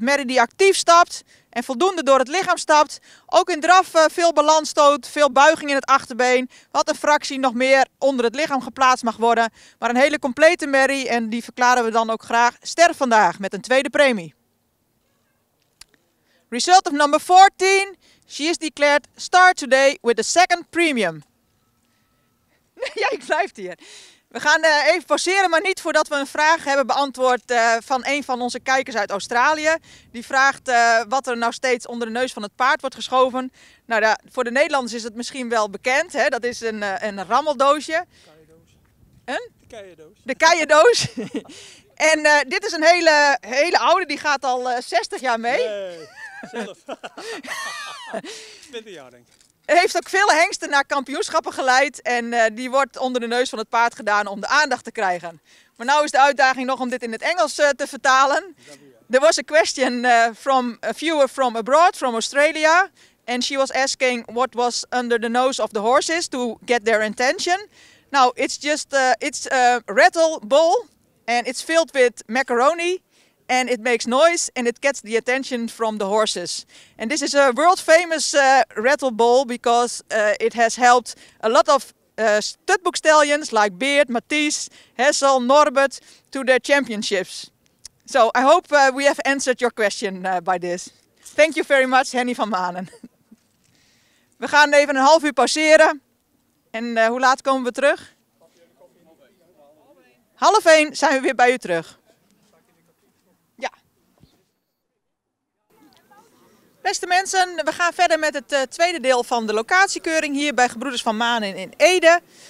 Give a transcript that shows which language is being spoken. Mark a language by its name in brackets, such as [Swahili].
[Dutch] Merrie die actief stapt en voldoende door het lichaam stapt. Ook in draf veel balans toont, veel buiging in het achterbeen. Wat een fractie nog meer onder het lichaam geplaatst mag worden. Maar een hele complete merrie en die verklaren we dan ook graag ster vandaag met een tweede premie. [English] Result of number 14. She is declared star today with a second premium. [Dutch] Ja, ik blijf hier. We gaan even pauzeren, maar niet voordat we een vraag hebben beantwoord van een van onze kijkers uit Australië. Die vraagt wat er nou steeds onder de neus van het paard wordt geschoven. Nou, voor de Nederlanders is het misschien wel bekend. Hè? Dat is een rammeldoosje. De keiendoos. De keiendoos. En dit is een hele oude, die gaat al 60 jaar mee. Nee, zelf. 20 jaar denk ik. Heeft ook vele hengsten naar kampioenschappen geleid en die wordt onder de neus van het paard gedaan om de aandacht te krijgen. Maar nou is de uitdaging nog om dit in het Engels te vertalen. [English] There was a question from a viewer from abroad, from Australia. And she was asking what was under the nose of the horses to get their attention. Now it's just it's a rattle bowl and it's filled with macaroni. And it makes noise and it gets the attention from the horses. And this is a world famous rattle bowl because it has helped a lot of studbook stallions like Beard, Matisse, Hessel, Norbert to their championships. So I hope we have answered your question by this. Thank you very much, Henny van Manen. [Dutch] We gaan even een half uur pauzeren. En hoe laat komen we terug? Half één zijn we weer bij u terug. Beste mensen, we gaan verder met het tweede deel van de locatiekeuring hier bij Gebroeders van Manen in Ede.